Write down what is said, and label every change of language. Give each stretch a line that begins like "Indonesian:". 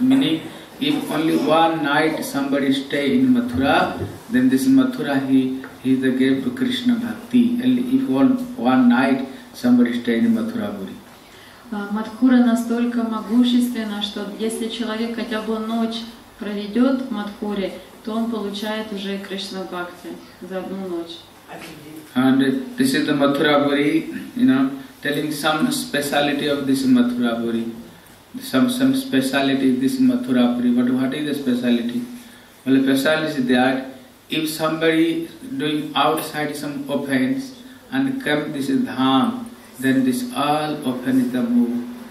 English: Meaning, if only one night somebody stay in Mathura, then this Mathura, he is the gift to Krishna Bhakti. Only if one night somebody stay in Mathura Puri.
Russian: Мадхура настолько могущественна, что если человек хотя бы ночь проведет в Мадхуре, то он получает уже Кришна Бхакти за одну ночь.
English: And this is the Mathura Puri, you know, telling some speciality of this Mathura Puri. Some speciality of this Mathura Puri. What is the speciality? Well, the speciality is that if somebody doing outside some offense and come this dham, then this all offense the move.